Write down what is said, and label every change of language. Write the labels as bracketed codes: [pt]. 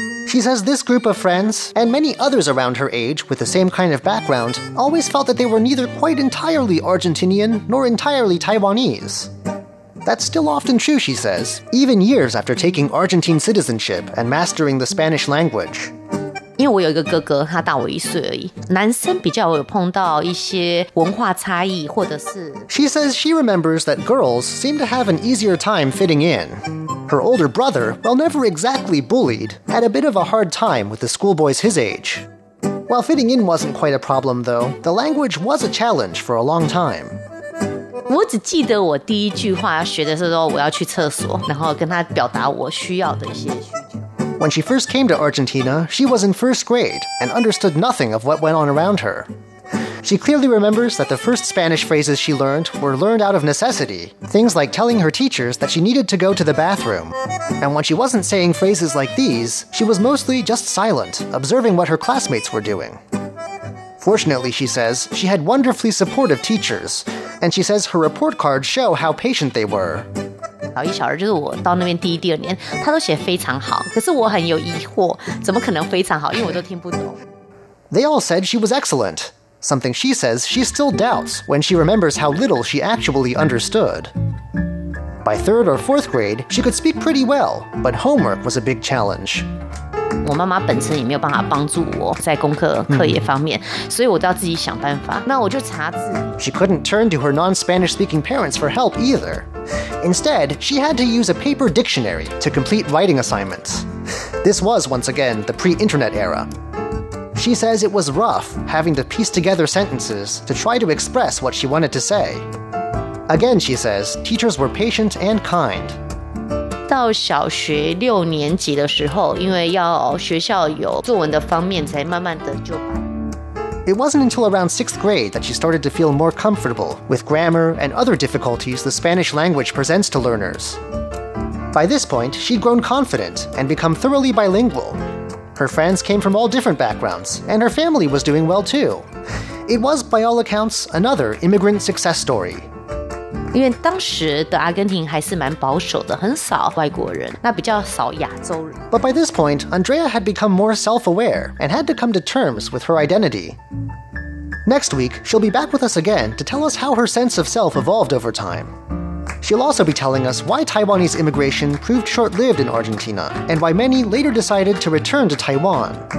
[en] She says this group of friends, and many others around her age with the same kind of background, always felt that they were neither quite entirely Argentinian nor entirely Taiwanese. That's still often true, she says, even years after taking Argentine citizenship and mastering the Spanish language. [zh] 因为我有一个哥哥，他大我一岁而已。男生比较有碰到一些文化差异，或者是 [en] She says she remembers that girls seem to have an easier time fitting in. Her older brother, while never exactly bullied, had a bit of a hard time with the schoolboys his age. While fitting in wasn't quite a problem, though, the language was a challenge for a long time. [zh] 我只记得我第一句话要学的是说我要去厕所，然后跟他表达我需要的一些需求。 [en] When she first came to Argentina, she was in first grade and understood nothing of what went on around her. She clearly remembers that the first Spanish phrases she learned were learned out of necessity, things like telling her teachers that she needed to go to the bathroom. And when she wasn't saying phrases like these, she was mostly just silent, observing what her classmates were doing. Fortunately, she says, she had wonderfully supportive teachers, and she says her report cards show how patient they were. [zh] 小一、小二就是我到那边第一、第二年，他都写非常好，可是我很有疑惑，怎么可能非常好，因为我都听不懂。 [en] They all said she was excellent. Something she says she still doubts when she remembers how little she actually understood. By third or fourth grade, she could speak pretty well, but homework was a big challenge. [zh] 我妈妈本身也没有办法帮助我在功课课业方面，所以我都要自己想办法。那我就查字。 [en] She couldn't turn to her non-Spanish-speaking parents for help either. Instead, she had to use a paper dictionary to complete writing assignments. This was, once again, the pre-internet era. She says it was rough having to piece together sentences to try to express what she wanted to say. Again, she says, teachers were patient and kind. [zh] 到小学六年级的时候，因为要学校有作文的方面，才慢慢的就把。 [en] It wasn't until around sixth grade that she started to feel more comfortable with grammar and other difficulties the Spanish language presents to learners. By this point, she'd grown confident and become thoroughly bilingual. Her friends came from all different backgrounds, and her family was doing well too. It was, by all accounts, another immigrant success story. [zh] 因为当时的阿根廷还是蛮保守的，很少外国人，那比较少亚洲人。 [en] But by this point, Andrea had become more self-aware and had to come to terms with her identity. Next week, she'll be back with us again to tell us how her sense of self evolved over time. She'll also be telling us why Taiwanese immigration proved short-lived in Argentina, and why many later decided to return to Taiwan.